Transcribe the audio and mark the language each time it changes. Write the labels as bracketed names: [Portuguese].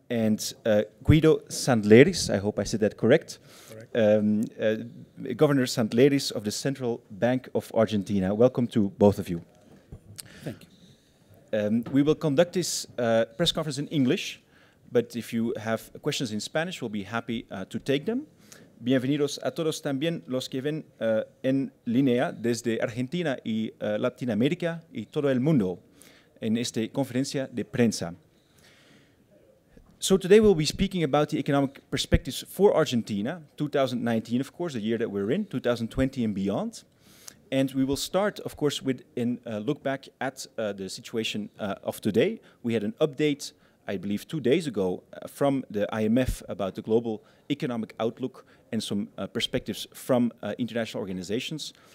[English] And Guido Sandleris, I hope I said that correct. Governor Sandleris of the Central Bank of Argentina. Welcome to both of you. Thank you. We will conduct this press conference in English, but if you have questions in Spanish, we'll be happy to take them. [Spanish] Bienvenidos a todos también los que ven en línea desde Argentina y Latinoamérica y todo el mundo en esta conferencia de prensa. [English] So today we'll be speaking about the economic perspectives for Argentina, 2019, of course, the year that we're in, 2020 and beyond. And we will start, of course, with a look back at the situation of today. We had an update, I believe, 2 days ago from the IMF about the global economic outlook and some perspectives from international organizations.